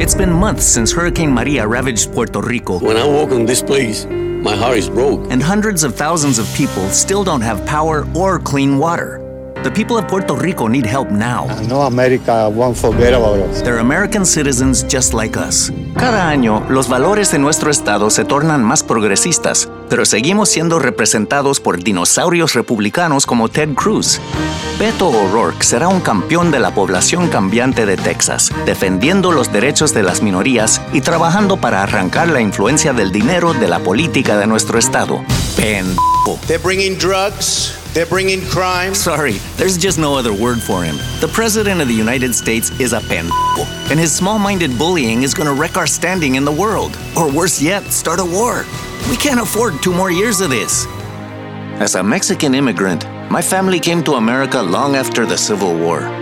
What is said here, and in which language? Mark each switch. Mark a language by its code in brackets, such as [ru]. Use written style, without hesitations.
[en] It's been months since Hurricane Maria ravaged Puerto Rico. When I walk in this place, my heart is broke. And hundreds of thousands of people still don't have power or clean water. The people of Puerto Rico need help now. I know America won't forget about us. They're American citizens just like us. [es] Cada año, los valores de nuestro estado se tornan más progresistas, pero seguimos siendo representados por dinosaurios republicanos como Ted Cruz. Beto O'Rourke será un campeón de la población cambiante de Texas, defendiendo los derechos de las minorías y trabajando para arrancar la influencia del dinero de la política de nuestro estado. Pendejo. [en] They're bringing drugs. They're bringing crime. Sorry, there's just no other word for him. The president of the United States is a pendejo, and his small-minded bullying is going to wreck our standing in the world. Or worse yet, start a war. We can't afford two more years of this. As a Mexican immigrant, my family came to America long after the Civil War.